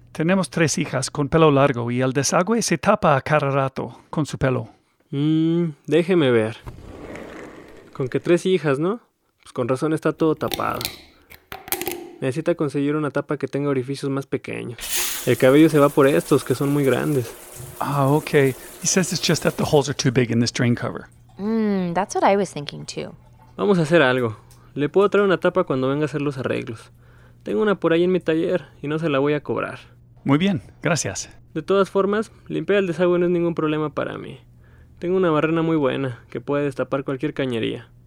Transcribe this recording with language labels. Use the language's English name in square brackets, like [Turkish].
[Spanish] Tenemos tres hijas con pelo largo y el desagüe se tapa a cada rato con su pelo. Déjeme ver. Con que tres hijas, ¿no? Pues con razón está todo tapado. Necesita conseguir una tapa que tenga orificios más pequeños. El cabello se va por estos, que son muy grandes. Ah, okay. [English] He says it's just that the holes are too big in this drain cover. That's what I was thinking too. [Spanish] Vamos a hacer algo. Le puedo traer una tapa cuando venga a hacer los arreglos. Tengo una por ahí en mi taller y no se la voy a cobrar. Muy bien, gracias. De todas formas, limpiar el desagüe no es ningún problema para mí. Tengo una barrena muy buena que puede destapar cualquier cañería.